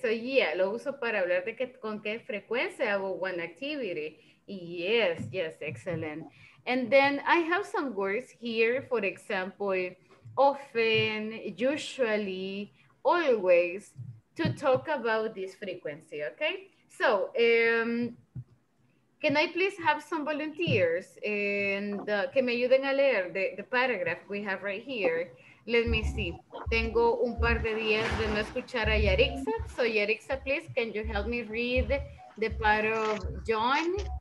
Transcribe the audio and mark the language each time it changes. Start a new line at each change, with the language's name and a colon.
English: So, yeah,
Spanish: lo uso para hablar de que, con qué frecuencia hago
English: one activity. Yes, yes, excellent. And then I have some words here, for example, often, usually, always, to talk about this frequency, okay? So, can I please have some volunteers and
Spanish: que me ayuden a leer
English: the paragraph we have right here? Let me see.
Spanish: Tengo un par de días de no escuchar a Yarixa.
English: So Yarixa, please, can you help me read the part of John?